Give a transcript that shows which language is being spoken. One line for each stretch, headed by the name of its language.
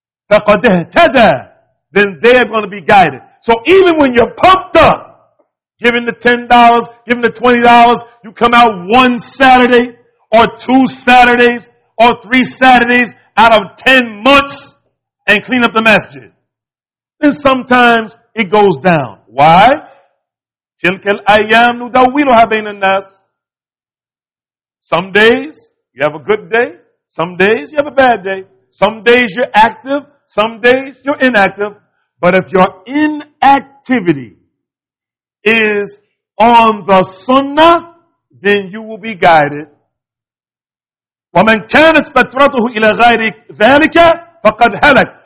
Arabic: فَقَدْ اهْتَدَى
English: Then they're going to be guided. So even when you're pumped up, giving the $10, giving the $20, you come out one Saturday or two Saturdays or three Saturdays out of 10 months, And clean up the masjid. Then sometimes it goes down. Why?
Arabic: تِلْكَ الْأَيَّامُ نُدَوِّنُهَا بَيْنَ النَّاسِ
English: Some days You have a good day. Some days you have a bad day. Some days you're active. Some days you're inactive. But if your inactivity is on the sunnah, then you will be guided.
Arabic: وَمَنْ كَانَتْ فَتْرَتُهُ إِلَى غَيْرِ ذَلِكَ فَقَدْ هَلَكَ.